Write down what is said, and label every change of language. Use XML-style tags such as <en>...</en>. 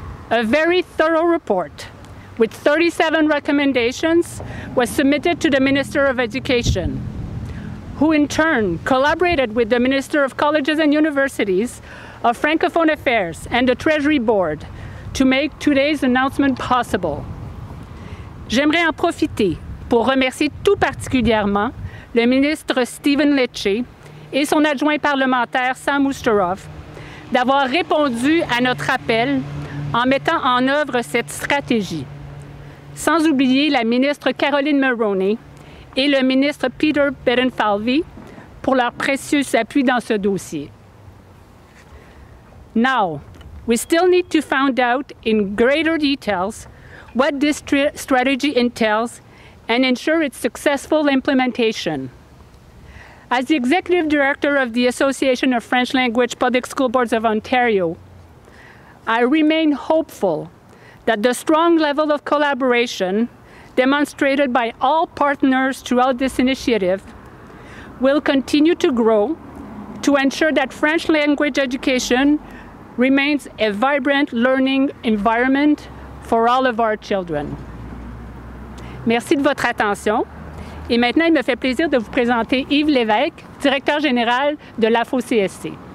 <en>A very thorough report with 37 recommendations was submitted to the Minister of Education, who in turn collaborated with the Minister of Colleges and Universities, of Francophone Affairs, and the Treasury Board to make today's announcement possible.</en> <fr>J'aimerais en profiter pour remercier tout particulièrement le ministre Stephen Lecce et son adjoint parlementaire Sam Ousterov d'avoir répondu à notre appel en mettant en œuvre cette stratégie. Sans oublier la ministre Caroline Maroney et le ministre Peter Bedenfalvy pour leur précieux appui dans ce dossier.</fr> <en>Now, we still need to find out in greater details what this strategy entails and ensure its successful implementation. As the Executive Director of the Association of French Language Public School Boards of Ontario, I remain hopeful that the strong level of collaboration demonstrated by all partners throughout this initiative will continue to grow to ensure that French language education remains a vibrant learning environment for all of our children.</en> <fr>Merci de votre attention. Et maintenant, il me fait plaisir de vous présenter Yves Lévesque, directeur général de l'AFO-CSC.</fr>